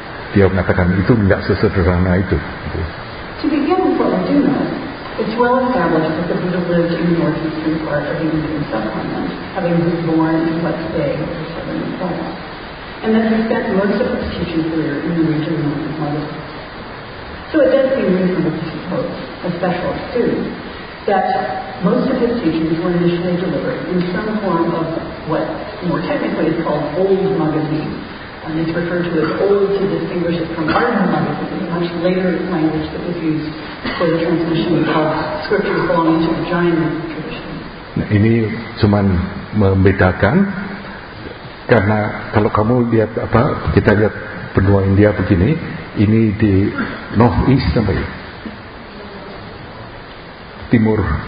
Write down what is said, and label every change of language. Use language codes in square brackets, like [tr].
[id] Dia mengatakan itu tidak sesederhana itu. [en] To begin with what we do know, it's well established that the Buddha lived in the northeastern part of the Indian subcontinent, having been born in what today is the southern Nepal, and that he spent most of his teaching career in the region known as Magadha. So it does seem reasonable to suppose, especially as students, that most of his teachings were initially delivered in some form of what more technically is called old Magadhi, And it's referred to as old to distinguish it from our language, which is a much later language that was used for the transmission of scriptures belonging to the Jainism tradition. [id] Nah, ini cuma membedakan, karena kalau kamu lihat apa, kita lihat benua India begini, ini di [en] North East [id] namanya, timur